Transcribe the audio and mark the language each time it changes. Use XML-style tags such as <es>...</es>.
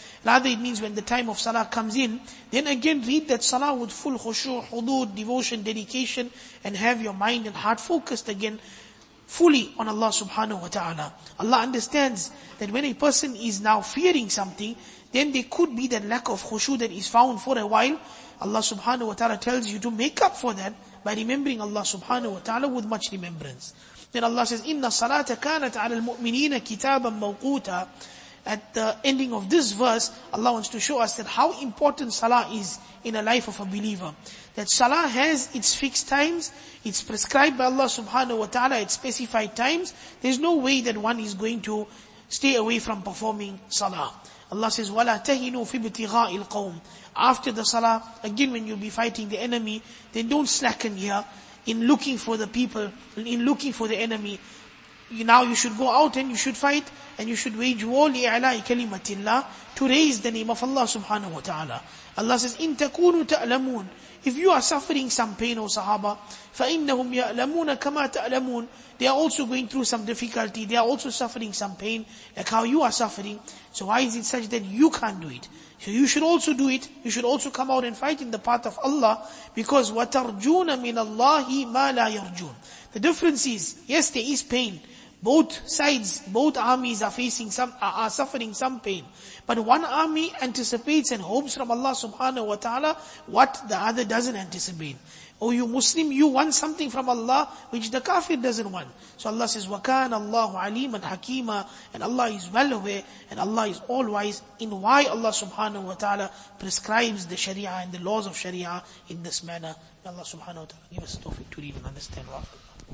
<en>Rather it means when the time of salah comes in, then again read that salah with full khushu, hudud, devotion, dedication, and have your mind and heart focused again fully on Allah subhanahu wa ta'ala. Allah understands that when a person is now fearing something, then there could be that lack of khushu that is found for a while. Allah subhanahu wa ta'ala tells you to make up for that by remembering Allah subhanahu wa ta'ala with much remembrance. Then Allah says,</en> <ar>إِنَّ الصَّلَاةَ كَانَتْ عَلَى الْمُؤْمِنِينَ كِتَابًا مَوْقُوتًا.</ar> <en>At the ending of this verse, Allah wants to show us that how important salah is in a life of a believer. That salah has its fixed times, it's prescribed by Allah subhanahu wa ta'ala, it's specified times. There's no way that one is going to stay away from performing salah. Allah says,</en> <ar>وَلَا تَهِنُوا فِي بِتِغَاءِ الْقَوْمِ.</ar> <en>After the salah, again when you'll be fighting the enemy, then don't slacken here in looking for the people, in looking for the enemy. Now you should go out and you should fight, and you should wage war</en> <ar>لِإِعْلَاءِ كَلِمَةِ اللَّهِ,</ar> <en>to raise the name of Allah subhanahu wa ta'ala. Allah says,</en> <ar>إِن تَكُونُوا تَأْلَمُونَ.</ar> <en>If you are suffering some pain, O Sahaba,</en> <ar>فَإِنَّهُمْ يَأْلَمُونَ كَمَا تَأْلَمُونَ.</ar> <en>They are also going through some difficulty, they are also suffering some pain, like how you are suffering. So why is it such that you can't do it? So you should also do it. You should also come out and fight in the path of Allah, because</en> <ar>وَتَرْجُونَ مِنَ اللَّهِ مَا لَا يَرْجُونَ.</ar> <en>The difference is, yes, there is pain. Both sides, both armies are facing some, are suffering some pain. But one army anticipates and hopes from Allah subhanahu wa ta'ala what the other doesn't anticipate. Oh, you Muslim, you want something from Allah which the kafir doesn't want. So Allah says,</en> <ar>وَكَانَ اللَّهُ عَلِيمًا حَكِيمًا.</ar> <en>And Allah is well aware and Allah is all wise in why Allah subhanahu wa ta'ala prescribes the sharia and the laws of sharia in this manner. May Allah subhanahu wa ta'ala give us tawfiq to read and understand. Wa'afu.</en>